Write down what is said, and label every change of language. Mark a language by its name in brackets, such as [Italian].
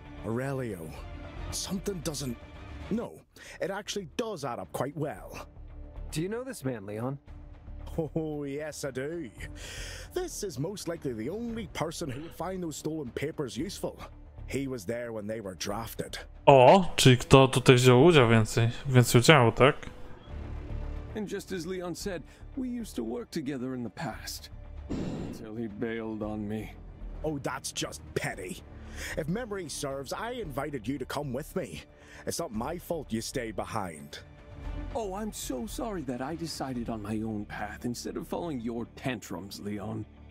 [English] Aurelio, something doesn't... No, it actually does add up quite well. Do you know this man, Leon? Oh, yes, I do. This is most likely the only person who would find those stolen papers useful. He was there when they were drafted. [Polish] O, czyli kto tutaj wziął udział więcej udziału, tak? [English] And just as Leon said, we used to work together in the past. Until he bailed on me. Oh, that's just petty. If memory serves, I invited you to come with me. It's not my fault you stay behind. Oh, I'm so sorry that I decided on my own path instead of following your tantrums, Leon.